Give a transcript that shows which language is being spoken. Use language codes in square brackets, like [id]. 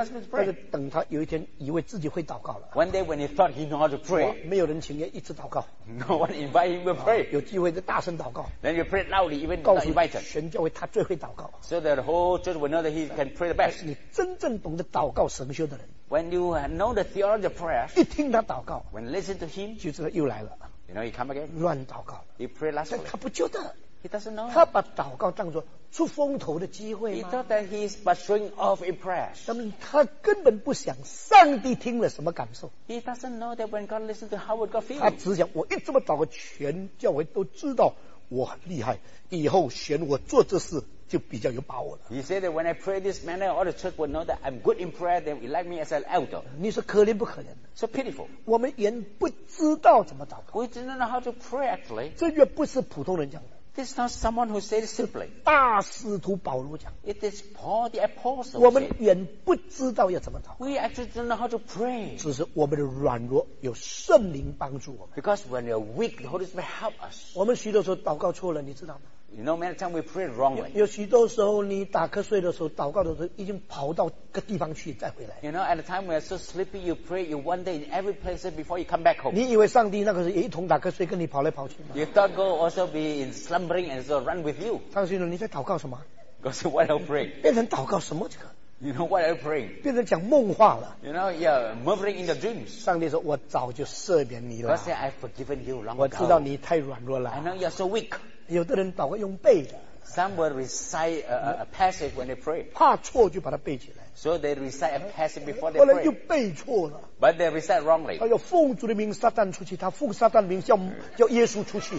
[zh] 但是等他有一天以为自己会祷告了。 [en] One day when he thought he knew how to pray. [zh] 没有人请也一直祷告。 [en] No one invite him to pray. [zh] 有机会就大声祷告。 [en] Then you pray loudly even not invited. [zh] 全教会他最会祷告。 [en] So that the whole church will know that he can pray the best. [zh] 你真正懂得祷告神学的人。 [en] When you know the theology of prayer. [zh] 一听他祷告。 [en] When listen to him. [zh] 就知道又来了。 [en] You know, he come again. [zh] 乱祷告。 [en] He pray last week. [zh] 但他不觉得。 [en] He doesn't know. [zh] 他把祷告当作出风头的机会吗？ [en] He thought that he's but showing off in prayer. [zh] 但是他根本不想上帝听了什么感受。 [en] He doesn't know that when God listens to how would God feel. [zh] 他只想我一这么祷告，全教会都知道我很厉害，以后选我做这事就比较有把握了。 [en] He said that when I pray this manner, all the church will know that I'm good in prayer. They will like me as an elder. [zh] 你说可怜不可怜？ [en] So pitiful. [zh] 我们原不知道怎么祷告。 [en] We did not know how to pray actually. [zh] 这也不是普通人讲的。 [en] This is not someone who said it simply. [zh] 大使徒保罗讲。 [en] It is Paul the apostle. [zh] 我们原不知道要怎么祷告。 [en] We actually didn't know how to pray. [zh] 只是我们的软弱有圣灵帮助我们。 [en] Because when we are weak, the Holy Spirit help us. [zh] 我们许多时候祷告错了，你知道吗？ [en] You know, many times we pray wrongly. [zh] 有许多时候，你打瞌睡的时候，祷告的时候，已经跑到个地方去，再回来。 [en] You know, at the time we are so sleepy, you pray, you wander in every place before you come back home. [zh] 你以为上帝那个时候也一同打瞌睡，跟你跑来跑去吗？ [en] You thought God also be in slumbering and so run with you. [zh] 上帝说你在祷告什么？ [en] God said, what are you praying? [zh] 变成祷告什么这个？ [en] You know, what are you praying? [zh] 变成讲梦话了。 [en] You know, you're murmuring in the dreams. [zh] 上帝说我早就赦免你了。 [en] God said, I've forgiven you long ago. [zh] 我知道你太软弱了。 [en] I know you're so weak. [zh] 有的人祷告用背的。 [en] Some will recite a passage when they pray. [zh] 怕错就把它背起来。 [en] So they recite a passage before they pray. [zh] 后来又背错了。 [en] But they recite wrongly. [zh] 他要奉主的名撒旦出去，他奉撒旦的名叫耶稣出去。